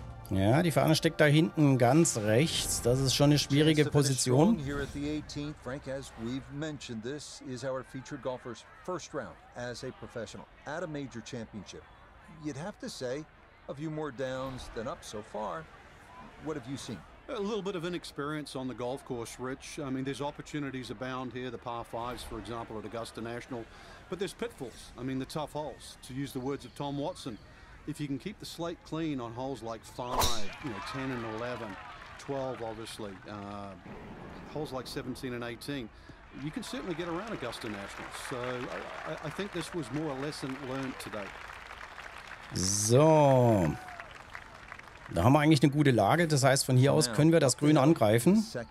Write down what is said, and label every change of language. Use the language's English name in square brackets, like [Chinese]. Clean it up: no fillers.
[German] Ja, die Fahne steckt da hinten ganz rechts. Das ist schon eine schwierige Position. [English] Here at the 18th, Frank, as we've mentioned, this is our featured golfer's first round as a professional at a major championship. You'd have to say, a few more downs than up so far. What have you seen? A little bit of inexperience on the golf course, Rich. I mean, there's opportunities abound here, the par fives, for example, at Augusta National. But there's pitfalls, I mean, the tough holes, to use the words of Tom Watson. If you can keep the slate clean on holes like 5, you know, 10 and 11, 12 obviously, holes like 17 and 18, you can certainly get around Augusta National. So I think this was more a lesson learned today. [German] So, da haben wir eigentlich eine gute Lage. Das heißt, von hier aus können wir das Grün angreifen.